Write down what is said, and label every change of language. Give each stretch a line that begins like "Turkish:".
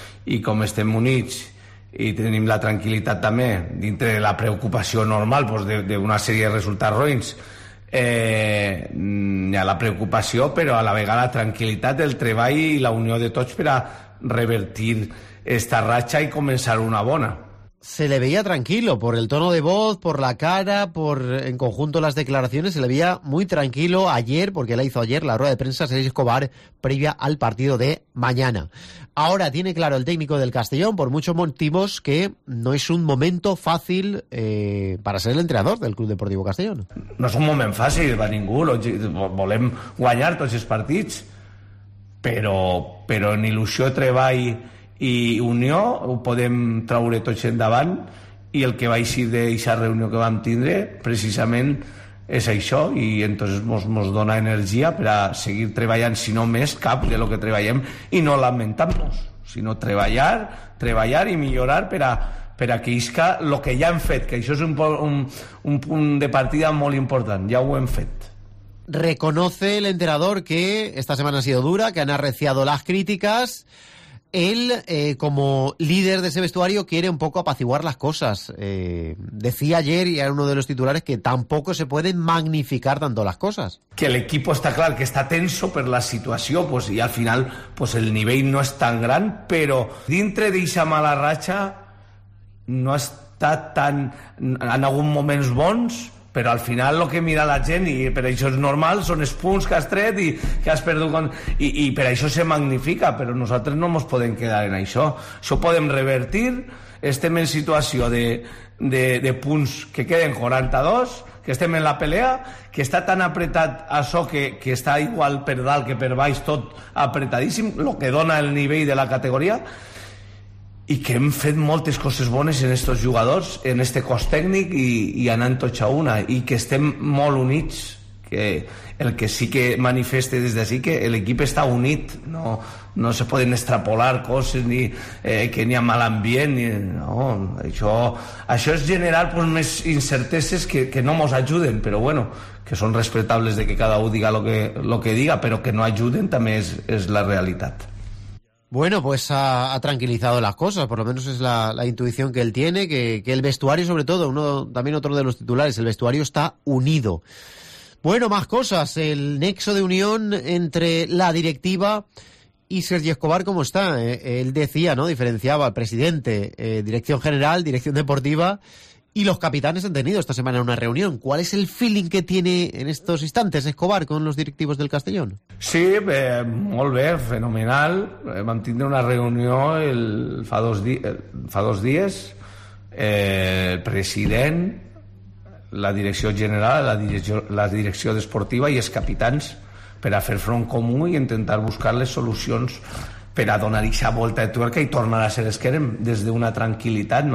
Catalan: I com estem units i tenim la tranquil·litat també dintre de la preocupació normal, doncs, d'una sèrie de resultats roïns, hi ha la preocupació, però a la vegada la tranquil·litat, el treball i la unió de tots per a revertir esta ratxa i començar una bona.
Spanish: Se le veía tranquilo por el tono de voz, por la cara, por en conjunto las declaraciones. Se le veía muy tranquilo ayer, porque la hizo ayer la rueda de prensa Sergi Escobar previa al partido de mañana. Ahora tiene claro el técnico del Castellón, por muchos motivos, que no es un momento fácil para ser el entrenador del Club Deportivo Castellón. No es un momento fácil para ninguno.
Catalan: Volem guanyar tots els partits, pero en ilusió, treball i unió ho podem traure tots endavant, i el que va eixir d'aquesta reunió que vam tindre precisament és això, i entonces mos dona energia per a seguir treballant, si no més cap de lo que treballem, i no lamentar-nos, sinó treballar i millorar per a que isca lo que ja hem fet, que això és un punt de partida molt important, ja ho hem fet.
Spanish: Reconoce el entrenador que esta semana ha sido dura, que han arreciado las críticas. Él, como líder de ese vestuario, quiere un poco apaciguar las cosas. Decía ayer, y era uno de los titulares, que tampoco se pueden magnificar tanto las cosas. Que el equipo está claro, que está tenso por la situación, pues, y al final pues el nivel no es tan gran, pero dentro de esa mala racha no está tan... En algunos momentos bons,
Catalan: però al final el que mira la gent, i per això és normal, són els punts que has tret i que has perdut, i per això se magnifica, però nosaltres no ens podem quedar en això. Això podem revertir, estem en situació de punts que queden 42, que estem en la pelea, que està tan apretat això que està igual per dalt que per baix, tot apretadíssim, el que dona el nivell de la categoria, i que hem fet moltes coses bones en aquests jugadors, en aquest cos tècnic, i anant tots a una, i que estem molt units, que el que sí que manifeste des d'ací, que l'equip està unit, no se poden extrapolar coses, ni que n'hi ha mal ambient, ni, no, això és generar pues, més incerteses que no mos ajuden, però bueno, que són respectables de que cada un diga lo que diga, però que no ajuden també és la realitat.
Spanish: Bueno, pues ha tranquilizado las cosas, por lo menos es la intuición que él tiene, que el vestuario, sobre todo, también otro de los titulares, el vestuario está unido. Bueno, más cosas, el nexo de unión entre la directiva y Sergi Escobar, ¿cómo está? Él decía, ¿no?, diferenciaba al presidente, dirección general, dirección deportiva, y los capitanes han tenido esta semana una reunión. ¿Cuál es el feeling que tiene en estos instantes Escobar con los directivos del Castellón?
Catalan: Sí, molt bé, fenomenal. Vam tindre una reunió fa dos dies. El president, la direcció general, la direcció esportiva i els capitans per a fer front comú i intentar buscar les solucions per a donar aquesta volta de tuerca i tornar a ser els que érem des d'una tranquil·litat.